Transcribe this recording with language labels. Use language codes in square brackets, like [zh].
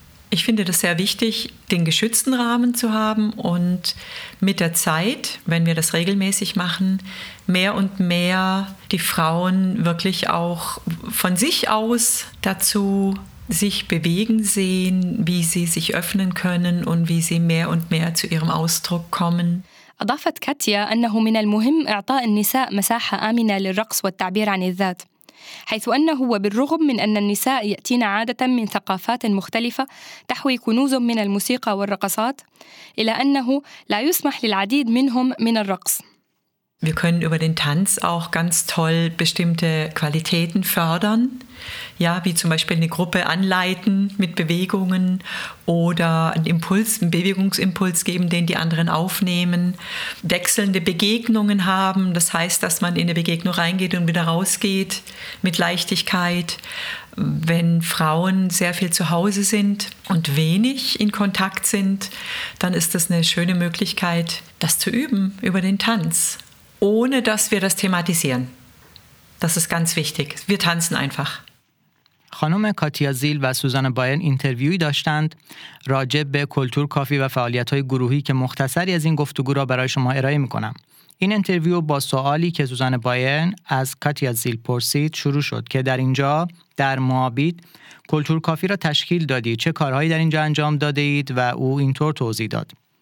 [de] Ich finde das sehr wichtig, den geschützten Rahmen zu haben und mit der Zeit, wenn wir das regelmäßig machen, mehr und mehr die Frauen wirklich auch von sich aus dazu sich bewegen sehen, wie sie sich öffnen können und wie sie mehr und mehr zu ihrem Ausdruck kommen. [ar] أضافت كاتيا أنه من المهم إعطاء النساء مساحة آمنة للرقص والتعبير عن الذات. حيث أنه وبالرغم من أن النساء يأتين عادة من ثقافات مختلفة تحوي كنوز من الموسيقى والرقصات إلى أنه لا يسمح للعديد منهم من الرقص. [de] Wir können über den Tanz auch ganz toll bestimmte Qualitäten fördern, ja, wie zum Beispiel eine Gruppe anleiten mit Bewegungen oder einen Impuls, einen Bewegungsimpuls geben, den die anderen aufnehmen, wechselnde Begegnungen haben, das heißt, dass man in eine Begegnung reingeht und wieder rausgeht mit Leichtigkeit. Wenn Frauen sehr viel zu Hause sind und wenig in Kontakt sind, dann ist das eine schöne Möglichkeit, das zu üben über den Tanz. Ohne dass wir das thematisieren. Das ist ganz wichtig. Wir tanzen einfach. [fa] خانم کاتیا زیل و سوزان باین اینترویوی داشتند راجع به کلتور کافی و فعالیت‌های گروهی که مختصری از این گفتگو را برای شما ارائه می‌کنم. این اینترویو با سوالی که سوزان باین از کاتیا زیل پرسید شروع شد که در اینجا در موابید کلتور کافی را تشکیل دادید، چه کارهایی در اینجا انجام دادید و او اینطور توضیح داد.